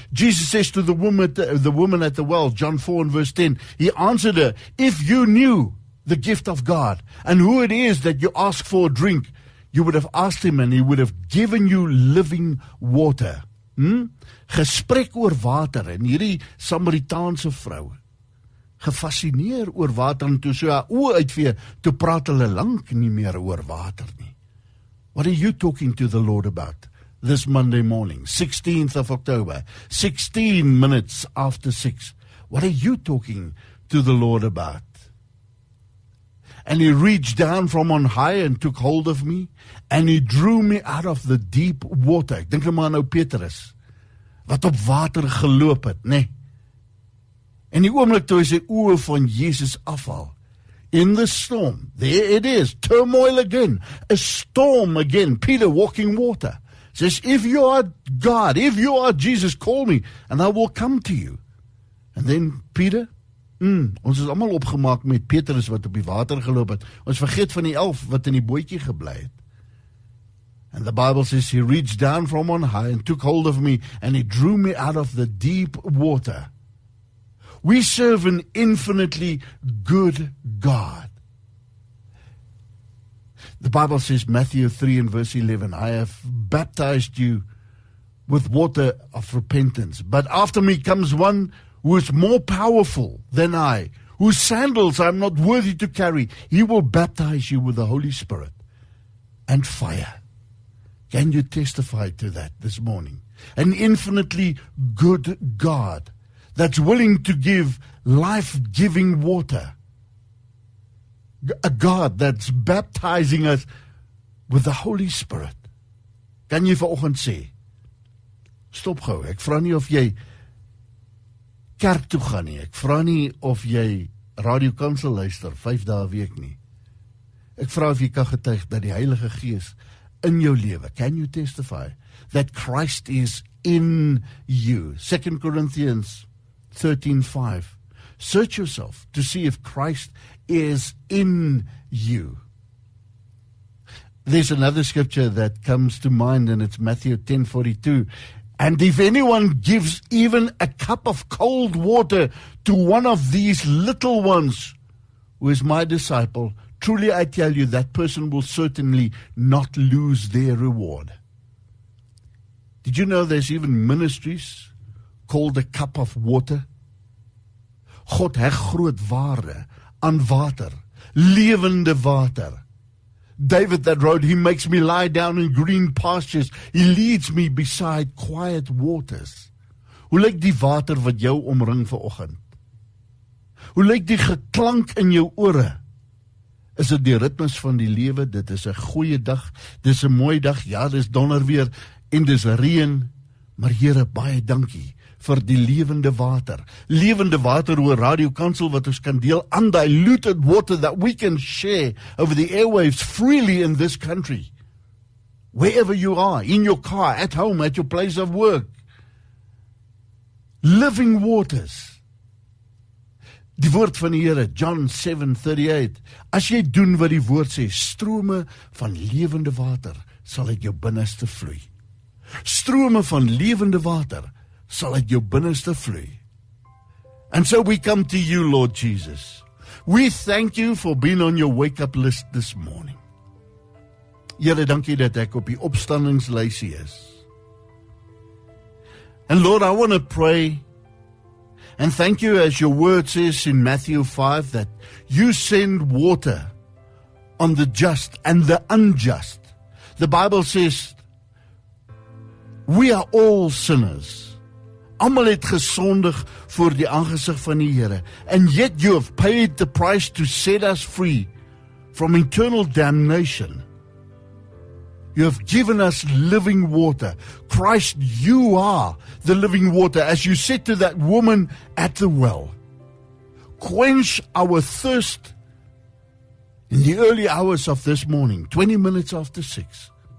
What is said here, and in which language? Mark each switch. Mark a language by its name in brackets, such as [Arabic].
[English] Jesus says to the woman at the well, John 4 and verse 10, he answered her, if you knew the gift of God and who it is that you ask for a drink, you would have asked him and he would have given you living water. [Afrikaans] Gesprek oor water en hierdie Samaritaanse vrou, gefascineer oor water en toe so haar oë uitvee, toe praat hulle lank nie meer oor water nie. [English] What are you talking to the Lord about this Monday morning, 16th of October, 16 minutes after 6? What are you talking to the Lord about? And he reached down from on high and took hold of me, and he drew me out of the deep water. [Afrikaans] Ek denk maar nou Petrus, wat op water geloop het, nee. En die oomblik toe hy sy oë van Jesus afhaal, [English] in the storm, there it is, turmoil again, a storm again, Peter walking water. Says, if you are God, if you are Jesus, call me, and I will come to you. And then Peter, [Afrikaans] ons is allemaal opgemaak met Petrus wat op die water geloop het. Ons vergeet van die elf wat in die bootjie geblei het. [English] And the Bible says he reached down from on high and took hold of me and he drew me out of the deep water. We serve an infinitely good God. The Bible says, Matthew 3 and verse 11, I have baptized you with water of repentance, but after me comes one who is more powerful than I, whose sandals I am not worthy to carry. He will baptize you with the Holy Spirit and fire. Can you testify to that this morning? An infinitely good God that's willing to give life-giving water. A God that's baptizing us with the Holy Spirit. [Afrikaans] Kan jy vanoggend sê, stop gou, ek vra nie of jy kerk toe gaan nie. Ek vra nie of jy Radio Kansel luister, 5 dae a week nie. Ek vra of jy kan getuig dat die Heilige Gees in jou lewe. [English] Can you testify that Christ is in you? 2 Corinthians 13:5. Search yourself to see if Christ is in you. There's another scripture that comes to mind, and it's Matthew 10:42. And if anyone gives even a cup of cold water to one of these little ones who is my disciple, truly I tell you, that person will certainly not lose their reward. Did you know there's even ministries called a cup of water? [Afrikaans] God heg groot waarde aan water, lewende water. [English] David that wrote, he makes me lie down in green pastures. He leads me beside quiet waters. [Afrikaans] Hoe lyk die water wat jou omring vanoggend? Hoe lyk die geklank in jou ore? Is dit die ritmes van die lewe? Dit is 'n goeie dag, dis 'n mooi dag, ja, dis donder weer en dis reën, maar Here, baie dankie vir die lewende water. Lewende water oor Radio Kansel wat ons kan deel, [English] undiluted water that we can share over the airwaves freely in this country. Wherever you are, in your car, at home, at your place of work. Living waters. [Afrikaans] Die woord van die Here, John 7:38. As jy doen wat die woord sê, strome van lewende water sal uit jou binneste vloei. Strome van lewende water sal uit jou binneste vloei. [English] And so we come to you, Lord Jesus. We thank you for being on your wake-up list this morning. [Afrikaans] Here, [English] thank you that [Afrikaans] ek op die opstandingslysie is. [English] And Lord, I want to pray and thank you, as your word says in Matthew 5, that you send water on the just and the unjust. The Bible says, we are all sinners. [Afrikaans] Almal het gesondig voor die aangesig van die Here. [English] And yet you have paid the price to set us free from eternal damnation. You have given us living water. Christ, you are the living water. As you said to that woman at the well, quench our thirst in the early hours of this morning, 20 minutes after 6.